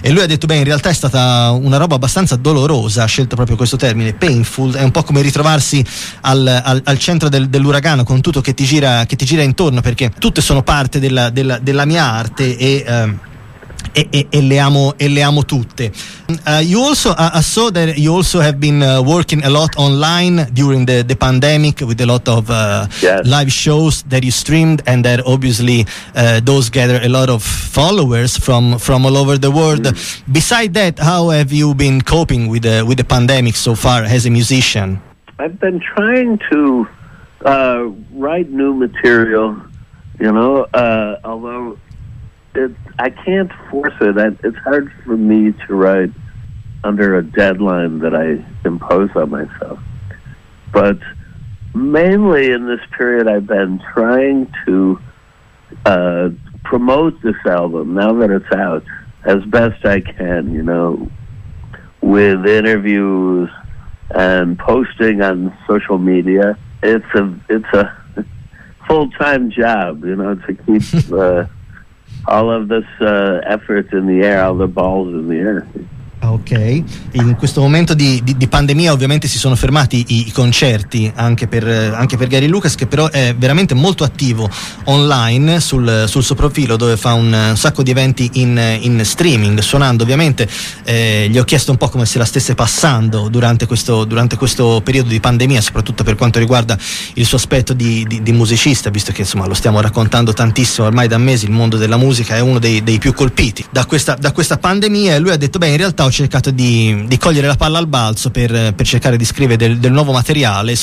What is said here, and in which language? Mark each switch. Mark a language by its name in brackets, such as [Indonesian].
[Italian] E lui ha detto: beh, in realtà è stata una roba abbastanza dolorosa, ha scelto proprio questo termine, painful. È un po' come ritrovarsi al centro dell'uragano con tutto che ti gira intorno, perché tutte sono parte della mia arte e le amo tutte. [English] You also have been working a lot online during the pandemic with a lot of live shows that you streamed, and that obviously those gather a lot of followers from all over the world. Mm. Beside that, how have you been coping with the pandemic so far as a musician? I've been trying to write new material, you know, although I can't force it. It's hard for me to write under a deadline that I impose on myself. But mainly in this period, I've been trying to promote this album, now that it's out, as best I can, you know, with interviews and posting on social media. It's a full-time job, you know, to keep... all of this effort in the air, all the balls in the air. [Italian] Ok, in questo momento di pandemia ovviamente si sono fermati i concerti anche per Gary Lucas, che però è veramente molto attivo online sul suo profilo, dove fa un sacco di eventi in streaming suonando. Ovviamente gli ho chiesto un po' come se la stesse passando durante questo periodo di pandemia, soprattutto per quanto riguarda il suo aspetto di musicista, visto che insomma lo stiamo raccontando tantissimo ormai da mesi, il mondo della musica è uno dei più colpiti da questa pandemia. E lui ha detto: beh, in realtà ho cercato di cogliere la palla al balzo per cercare di scrivere del nuovo materiale.